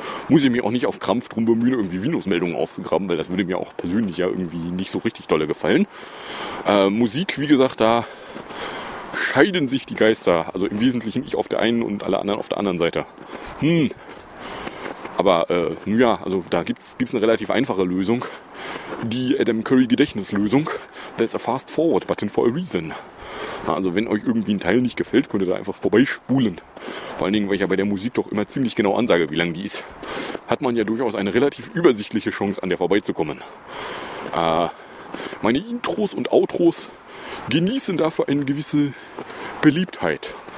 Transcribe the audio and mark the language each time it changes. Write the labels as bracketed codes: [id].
[de] Muss ich mich auch nicht auf Krampf drum bemühen, irgendwie Windows-Meldungen auszugraben, weil das würde mir auch persönlich ja irgendwie nicht so richtig dolle gefallen. Musik, wie gesagt, da scheiden sich die Geister. Also im Wesentlichen ich auf der einen und alle anderen auf der anderen Seite. Aber ja, also da gibt's eine relativ einfache Lösung. Die Adam Curry Gedächtnislösung. [en] There's a fast forward button for a reason. [de] Also wenn euch irgendwie ein Teil nicht gefällt, könnt ihr da einfach vorbeispulen. Vor allen Dingen, weil ich ja bei der Musik doch immer ziemlich genau ansage, wie lang die ist. Hat man ja durchaus eine relativ übersichtliche Chance, an der vorbeizukommen. Meine Intros und Outros genießen dafür eine gewisse Beliebtheit.